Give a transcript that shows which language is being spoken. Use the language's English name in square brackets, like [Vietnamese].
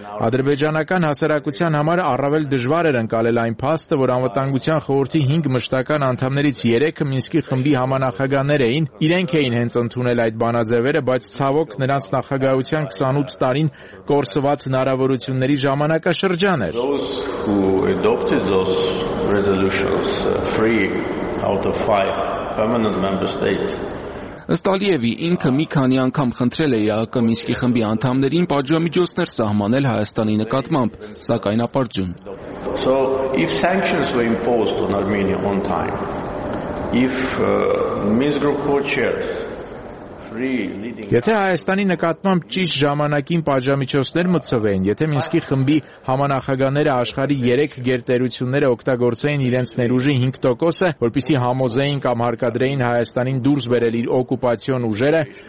[Armenian] Ադրբեջանական հասարակության համար առավել դժվար էր ընկալել այն փաստը, որ անվտանգության խորհրդի 5 մշտական անդամներից 3-ը Մինսկի խմբի համանախագաններ էին, իրենք էին հենց ընդունել այդ բանաձևերը, բայց ցավոք նրանց նախագահության 28 տարին կորսված հնարավորությունների ժամանակաշրջան էր։ Ըստ Ալիևի, ինքը մի քանի անգամ խնդրել է ԵԱԿ Մինսկի խմբի անդամներին պատժամիջոցներ սահմանել Հայաստանի նկատմամբ, սակայն ապարդյուն։ [English] So if sanctions were imposed on Armenia on time, if Minsk group co-chairs [Armenian] Եթե Հայաստանի նկատմամբ ճիշտ ժամանակին պատժամիջոցներ մտցվեին, եթե Մինսկի խմբի համանախագաները աշխարի 3 գերտերությունները օգտագործեին իրենց ներուժի 5%-ը, որպեսզի համոզեին կամ հարկադրեին Հայաստանին դուրս բերել իր օկուպացիոն ուժերը,